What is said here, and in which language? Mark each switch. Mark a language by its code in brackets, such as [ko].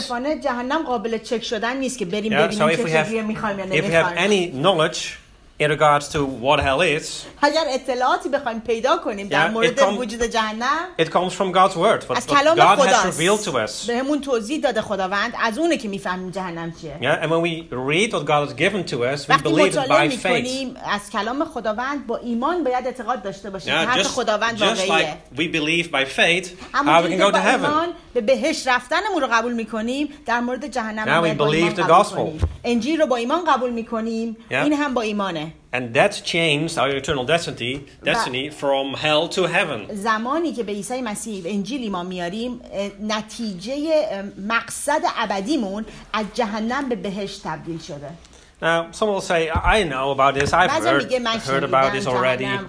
[en] so if we have any knowledge in regards to what hell is, it comes from God's word. What God has revealed to us. Yeah, and when we read what God has given to us, we believe it by faith. Yeah, just like we believe by faith, how we can go to heaven. [fa] به بهش رفتنمون رو قبول میکنیم در مورد جهنم رو باید با ایمان قبول کنیم. انجیل رو با ایمان قبول میکنیم. [en] Yeah. [fa] این هم با ایمانه. [en] And that changed our eternal destiny from hell to heaven. [fa] زمانی که به عیسی مسیح انجیل ما میاریم نتیجه مقصد ابدیمون از جهنم به بهش تبدیل شده. [en] Now, some will say, I know about this. I've heard about this already.